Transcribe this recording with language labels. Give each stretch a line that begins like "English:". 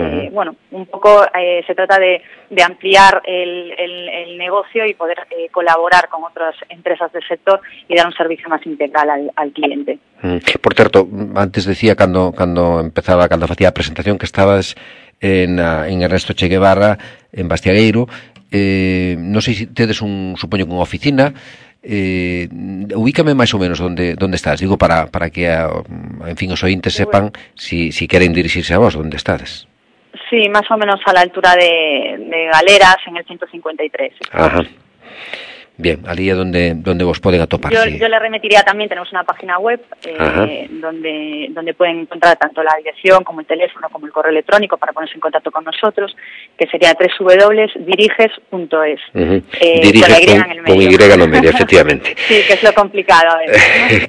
Spanish: Bueno, un poco se trata de ampliar el negocio y poder colaborar con otras empresas del sector y dar un servicio más integral al, al cliente. Por cierto, antes decía cuando, cuando empezaba, cuando hacía la presentación, que estabas en Ernesto Che Guevara, en Bastiagueiro.
Galician: Non sei se tedes un, supoño, unha oficina. Ubícame máis ou menos onde, onde estás, digo, para que a, en fin, os ointes sepan si, si queren dirixirse a vos, onde estades.
Spanish: Sí,
Galician: máis ou menos
Spanish: a la altura de Galeras, en el 153. Ajá.
Galician: Bien, ali é donde, donde vos poden atopar.
Spanish: Yo, sí. Yo le remitiría tamén, tenemos unha página web donde, donde poden encontrar tanto la dirección como el teléfono como el correo electrónico para ponerse en contacto con nosotros, que sería www.diriges.es. Diriges con Y en el medio, efectivamente. Sí, que es lo complicado a veces, ¿no?